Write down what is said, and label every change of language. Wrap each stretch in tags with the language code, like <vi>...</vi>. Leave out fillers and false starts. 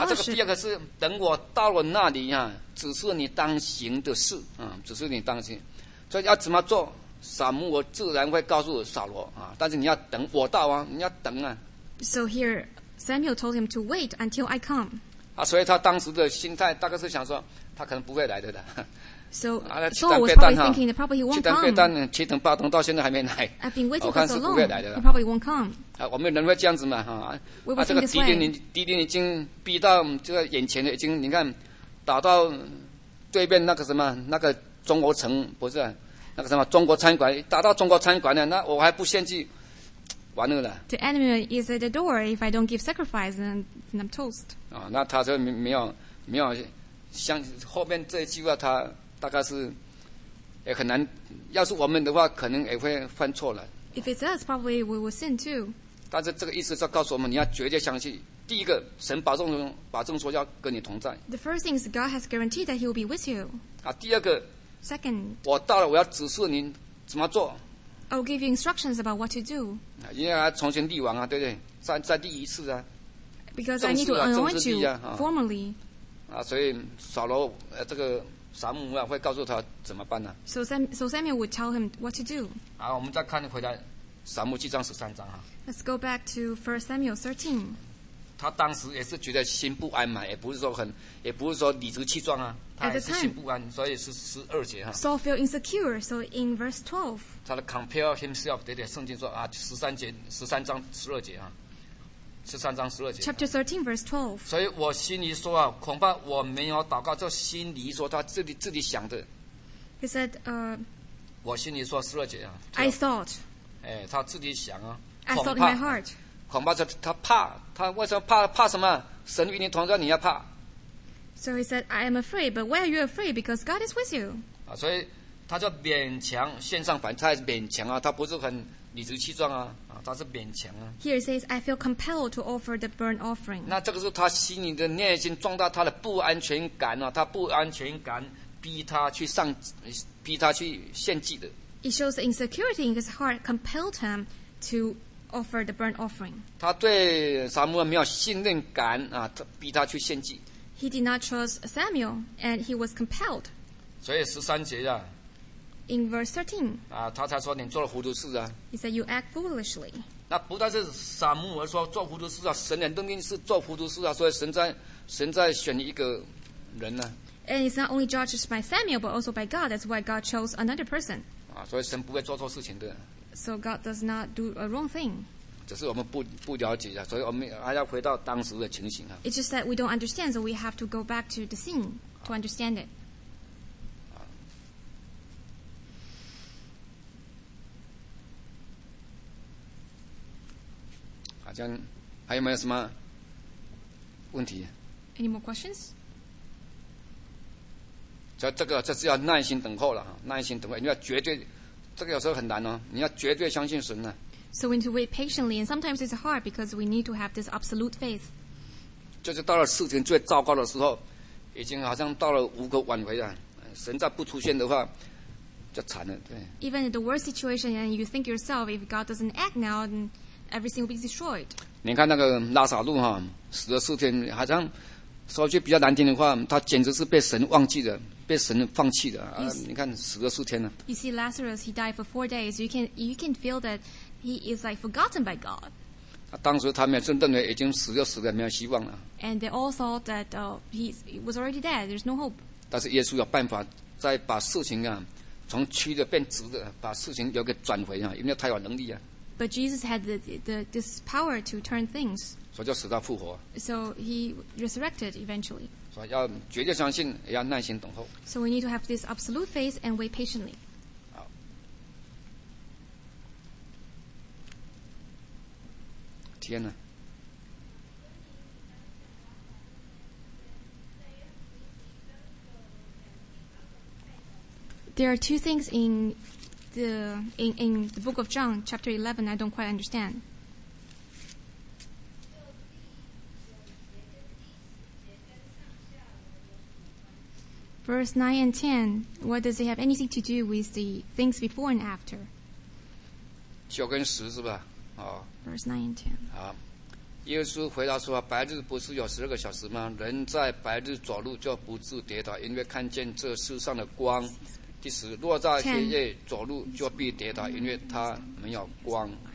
<zh>啊，这个第二个是等我到了那里啊，只是你当行的事啊，只是你当行，所以要怎么做？撒母耳自然会告诉扫罗啊，但是你要等我到啊，你要等啊。</zh> <en>So here, Samuel told him to wait until I come.</en> <zh>啊，所以他当时的心态大概是想说，他可能不会来的。</zh> <en>So Saul was probably thinking that probably he won't come.</en> <zh>七等八等，七等八等到现在还没来。</zh> <en>I've been waiting for so long.</en> <zh>我看是不会来的。</zh> <en>He probably won't come.</en> <zh>啊，我们人会这样子嘛？哈，啊，这个敌人，敌人已经逼到这个眼前了，已经你看打到对面那个什么那个中国城，不是，啊，那个什么中国餐馆，打到中国餐馆了，那我还不献祭，完了的。</zh> <en>The enemy is at the door. If I don't give sacrifice, then I'm toast.</en> <zh>啊，那他就没有像后面这一句话他。大概是也很难，要是我们的话可能也会犯错了。</zh> <en>If it's us, probably we will sin too.</en> <zh>但是这个意思是告诉我们，你要绝对相信，第一个神保证说要跟你同在。</zh> <en>The first thing is God has guaranteed that he will be with you.</en> <zh>啊，第二个。</zh> <en>Second.</en> <zh>我到了，我要指示您怎么做。</zh> <en>I'll give you instructions about what to do.</en> <zh>啊，因为要重新立王啊，对不对？再立一次啊。</zh> <en>Because I need to anoint you formally.</en> <zh>啊，所以扫罗这个。撒母耳会告诉他怎么办呢</zh> <en>？So Samuel would tell him what to do.</en> <zh>好，我们再看回来，撒母耳记上十三章哈。</zh> <en>Let's go back to 1 Samuel 13.</en> <zh>他当时也是觉得心不安嘛，也不是说理直气壮啊，他也是心不安，</zh> <en>time,</en> <zh>所以是十二节哈。</zh> <en>Saul feel insecure, so in verse 12.</en> <zh>他的</zh> <en>compare himself，</en> <zh>对对，圣经说啊，十三节十三章十二节啊。13章12节</zh> <en>Chapter 13, verse 12.</en> <zh>所以我心里说啊，恐怕我没有祷告，就心里说他自己想的。</zh> <en>He said,</en> <zh>我心里说十二节啊。</zh> <en>I thought.</en> <zh>哎，他自己想啊。</zh> <en>I thought in my heart.</en> <zh>恐怕他怕，他为什么怕？怕什么？神与你同在，你要怕。</zh> <en>So he said, I am afraid, but why are you afraid? Because God is with you.</en> <zh>啊，所以他就勉强献上燔祭，勉强啊，他不是很。理直气壮啊，他是勉强啊。</zh> <en>Here it says, I feel compelled to offer the burnt offering.</en> <zh>那这个是他心里的内心壮大他的不安全感啊，他不安全感逼他去献祭的。</zh> <en>It shows the insecurity in his heart compelled him to offer the burnt offering.</en> <zh>他对撒母耳没有信任感啊，逼他去献祭。</zh> <en>He did not trust Samuel, and he was compelled.</en> <zh>所以十三节啊。</zh> <en>In verse 13,</en> <zh>啊，他才说你做了糊涂事啊。</zh> <en>He said you act foolishly.</en> <zh>那不但是撒母耳说做糊涂事啊，神人都一定是做糊涂事啊，所以神在选一个人呢。</zh> <en>And it's not only judged by Samuel, but also by God. That's why God chose another person.</en> <zh>啊，所以神不会做错事情的。</zh> <en>So God does not do a wrong thing.</en> <zh>只是我们不了解啊，所以我们还要回到当时的情形啊。</zh> <en>It's just that we don't understand, so we have to go back to the scene to understand it.</en> <zh>还有没有什么问题？</zh> <en>Any more questions?</en> <zh>所以这个就是要耐心等候了，耐心等候，因为绝对这个有时候很难哦，你要绝对相信神呢。</zh> <en>So we need to wait patiently, and sometimes it's hard because we need to have this absolute faith.</en> <zh>就是到了事情最糟糕的时候，已经好像到了无可挽回了，神再不出现的话，就惨了，对。</zh> <en>Even in the worst situation, and you think yourself, if God doesn't act now, then everything will be destroyed.</en> <zh>你看那个拉撒路哈，死了四天，好像说句比较难听的话，他简直是被神忘记的。被神放弃的、你看死了四天了。</zh> <en>You see Lazarus, he died for 4 days. You can feel that he is like forgotten by God.</en> <zh>当时他们真正的已经死就死了，没有希望了。</zh> <en>And they all thought that he was already dead. There's no hope.</en> <zh>但是耶稣有办法再把事情啊从曲的变直的，把事情有个转回啊，因为他有能力啊。</zh> <en>But Jesus had this power to turn things.</en> <zh>所以就使他复活。</zh> <en>So he resurrected eventually.</en> <zh>要绝对相信，也要耐心等候。</zh> <en>So we need to have this absolute faith and wait patiently.</en> <zh>好，天哪！</zh> <en>There are two things in the book of John, chapter 11. I don't quite understand. Verse 9 and 10, what does it have anything to do with the things before and after?</en> <zh>九跟十是吧、哦、</zh> <en>Verse 9 and 10.</en> <zh>好，耶稣回答说，白日不是有十二个小时吗？人在白日走路就不致跌倒，因为看见这世上的光。第十，若在黑夜走路就必跌倒，因为他没有光。</zh>